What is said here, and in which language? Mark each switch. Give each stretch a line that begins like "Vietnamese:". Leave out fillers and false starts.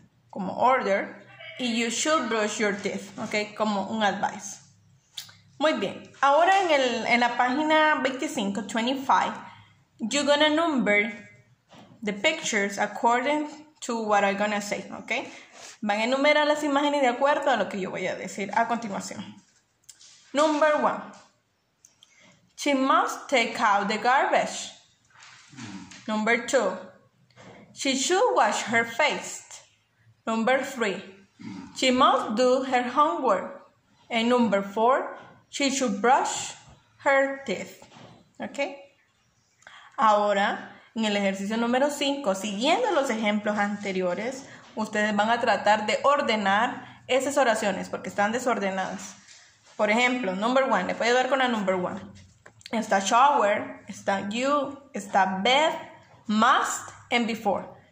English: como order, y you should brush your teeth, ok, como un advice.
Spanish: Muy bien, ahora en la página 25, 25,
English: you're gonna number the pictures according to what I'm gonna say, ok.
Spanish: Van a enumerar las imágenes de acuerdo a lo que yo voy a decir a continuación.
English: Number one, she must take out the garbage. Number two, she should wash her face. Number three, she must do her homework. And number four, she should brush her teeth. Okay?
Spanish: Ahora, en el ejercicio número 5, siguiendo los ejemplos anteriores, ustedes van a tratar de ordenar esas oraciones porque están desordenadas. Por ejemplo, number one, le puedo dar con la number one. Está shower, está you, está bed, must, and before.